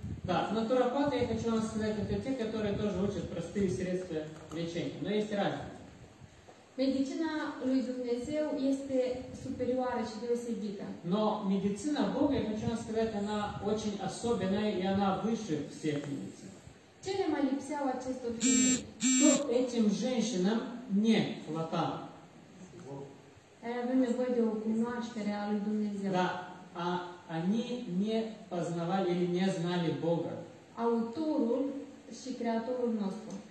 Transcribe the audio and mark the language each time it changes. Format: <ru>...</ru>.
<ru>Да, натуропаты, я хочу вам сказать, это те, которые тоже учат простые средства лечения. Но есть разница.</ru> <ro>Medicina lui Dumnezeu este superioară și deosebită.</ro> <ru>Но медицина Бога, я хочу вам сказать, она очень особенная и она выше всех медицин.</ru> <ro>Ce le mai lipseau acestor femei?</ro> <ru>Что этим женщинам не хватало?</ru> <ro>Avem nevoie de o cunoaștere a lui Dumnezeu.</ro> <ru>Да, а они не познавали или не знали Бога.</ru> <ro>Autorul și creatorul nostru.</ro>